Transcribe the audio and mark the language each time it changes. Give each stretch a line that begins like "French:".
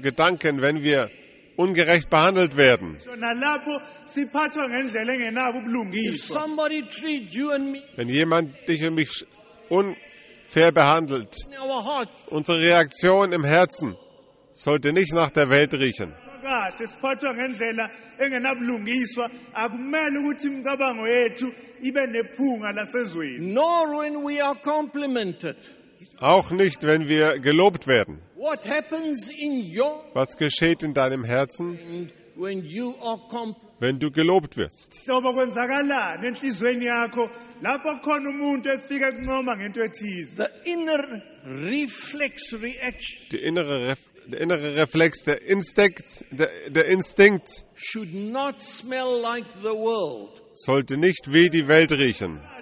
German: Gedanken, wenn wir ungerecht behandelt werden. Wenn jemand dich und mich unfair behandelt, unsere Reaktion im Herzen sollte nicht nach der Welt riechen.
English: Nor when we are complimented.
German: Auch nicht, wenn wir gelobt werden.
English: What happens in your,
German: was geschieht in deinem Herzen,
English: when you are
German: wenn du gelobt wirst?
English: The inner reflex reaction.
German: Der innere Reflex, der Instinkt
English: should not smell like the world.
German: Sollte nicht wie die Welt riechen.